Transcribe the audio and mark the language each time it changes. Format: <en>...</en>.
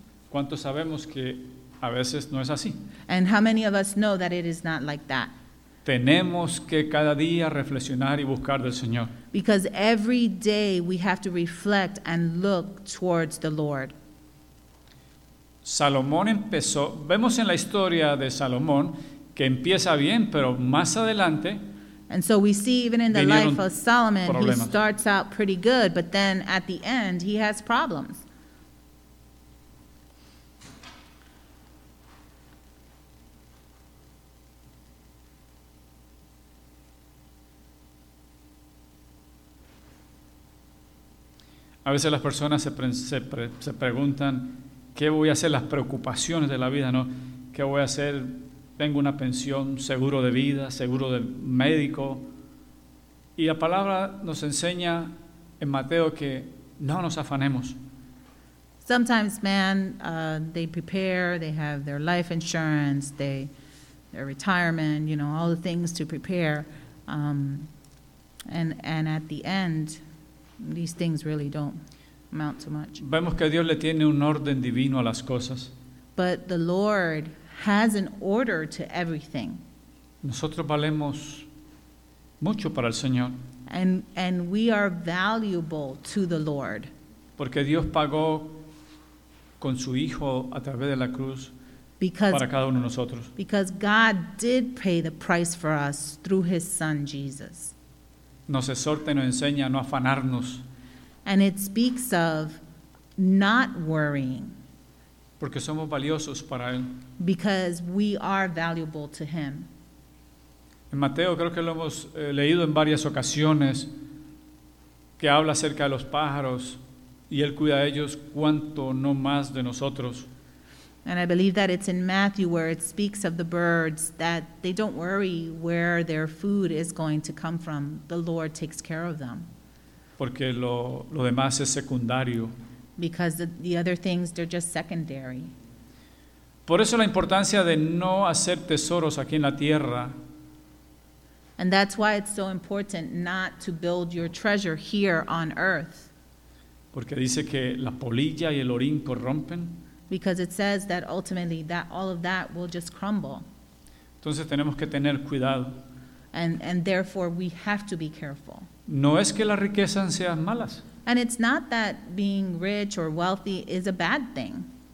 <es>¿Cuántos sabemos que a veces no es así?</es> <en>And how many of us know that it is not like that?</en> <es>Tenemos que cada día reflexionar y buscar del Señor.</es> <en>Because every day we have to reflect and look towards the Lord.</en> <es>Salomón empezó, vemos en la historia de Salomón que empieza bien, pero más adelante.</es> <en>And so we see even in the life of Solomon, he starts out pretty good, but then at the end he has problems.</en> <es>A veces las personas se preguntan, ¿qué voy a hacer? Las preocupaciones de la vida, ¿no? ¿Qué voy a hacer? Tengo una pensión, seguro de vida, seguro de médico. Y la palabra nos enseña en Mateo que no nos afanemos.</es> <en>Sometimes man, they prepare, they have their life insurance, their retirement, you know, all the things to prepare. And at the end, these things really don't amount to much.</en> <es>Vemos que Dios le tiene un orden divino a las cosas.</es> <en>But the Lord has an order to everything.</en> <es>Nosotros valemos mucho para el Señor.</es> <en>And we are valuable to the Lord.</en> <es>Porque Dios pagó con su Hijo a través de la cruz para cada uno de nosotros.</es> <en>Because God did pay the price for us through His Son Jesus.</en> <es>Nos exhorta y nos enseña a no afanarnos.</es> <en>And it speaks of not worrying.</en> <es>Porque somos valiosos para Él.</es> <en>Because we are valuable to Him.</en> <es>En Mateo creo que lo hemos leído en varias ocasiones, que habla acerca de los pájaros y Él cuida de ellos, cuanto no más de nosotros.</es> <en>And I believe that it's in Matthew where it speaks of the birds, that they don't worry where their food is going to come from. The Lord takes care of them.</en> <es>Porque lo demás es secundario.</es> <en>Because the other things, they're just secondary.</en> <es>Por eso la importancia de no hacer tesoros aquí en la tierra.</es> <en>And that's why it's so important not to build your treasure here on earth.</en> <es>Porque dice que la polilla y el orín corrompen.</es> <en>Because it says that ultimately that all of that will just crumble.</en> <es>Entonces tenemos que tener cuidado.</es> <en>And therefore we have to be careful.</en> <es>No es que las riquezas sean malas.</es> <en>And it's not that being rich or wealthy is a bad thing.</en>